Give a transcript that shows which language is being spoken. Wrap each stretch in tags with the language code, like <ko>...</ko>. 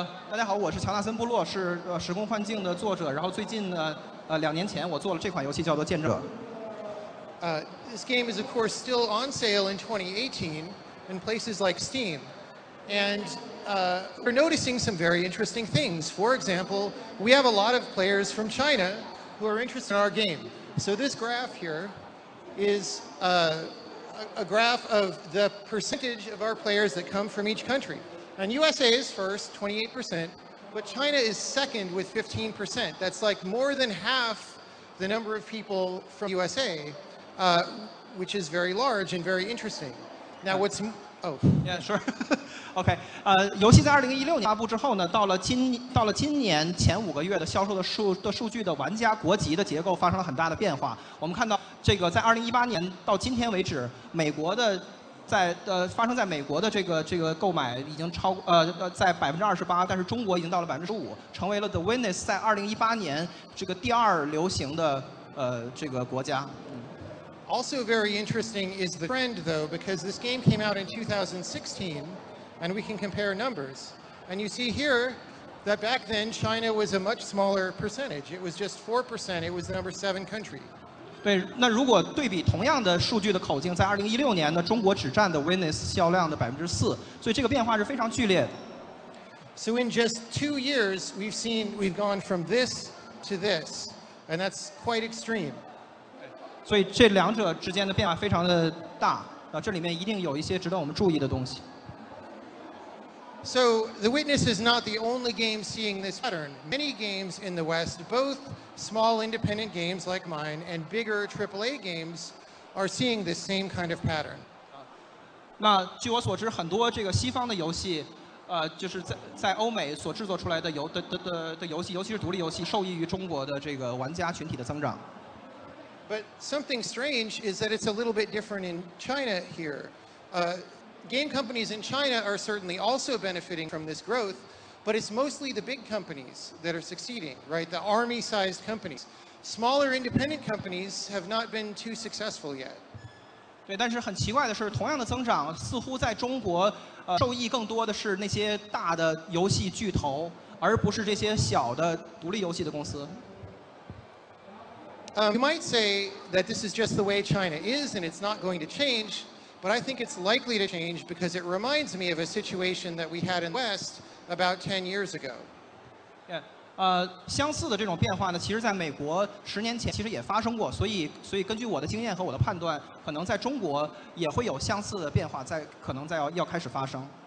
<zh>大家好，我是乔纳森·布洛，是《时空幻境》的作者。然后最近呢，两年前我做了这款游戏，叫做《见证》。</zh> <en>This game is of course still on sale in 2018 in places like Steam, and we're noticing some very interesting things. For example, we have a lot of players from China who are interested in our game. So this graph here is a graph of the percentage of our players that come from each country. And USA is first, 28%, but China is second with 15%. That's like more than half the number of people from USA, which is very large and very interesting. Now what's... Oh. Yeah, sure. OK.</en> <zh>游戏在2016年发布之后呢，到了今年前五个月的销售的数据的玩家国籍的结构发生了很大的变化。我们看到这个在2018年到今天为止，美国的发生在美国的这个购买已经超在28%，但是中国已经到了15%，成为了 The Witness 在2018年这个第二流行的这个国家。</zh> <en>Also very interesting is the trend though, because this game came out in 2016, and we can compare numbers. And you see here that back then China was a much smaller percentage. It was just 4%. It was the number 7 country.</en> <zh>对，那如果对比同样的数据的口径，在2016年呢，中国只占的 Witness 销量的4%，所以这个变化是非常剧烈的。</zh> <en>So in just 2 years, we've gone from this to this, and that's quite extreme.</en> <zh>所以这两者之间的变化非常的大，这里面一定有一些值得我们注意的东西。</zh> <en>So The Witness is not the only game seeing this pattern. Many games in the West, both small independent games like mine and bigger AAA games, are seeing this same kind of pattern.</en> <zh>那据我所知，很多这个西方的游戏，就是在欧美所制作出来的游戏，尤其是独立游戏，受益于中国的这个玩家群体的增长。</zh> <en>But something strange is that it's a little bit different in China here. Game companies in China are certainly also benefiting from this growth, but it's mostly the big companies that are succeeding, right? The army-sized companies. Smaller independent companies have not been too successful yet.</en> <zh>对，但是很奇怪的是，同样的增长似乎在中国，受益更多的是那些大的游戏巨头，而不是这些小的独立游戏的公司。</zh> <en>You might say that this is just the way China is and it's not going to change, but I think it's likely to change because it reminds me of a situation that we had in the West about 10 years ago.</en> <zh>Yeah, 相似的这种变化呢，其实在美国十年前其实也发生过，所以根据我的经验和我的判断，可能在中国也会有相似的变化在，可能在要开始发生。</zh>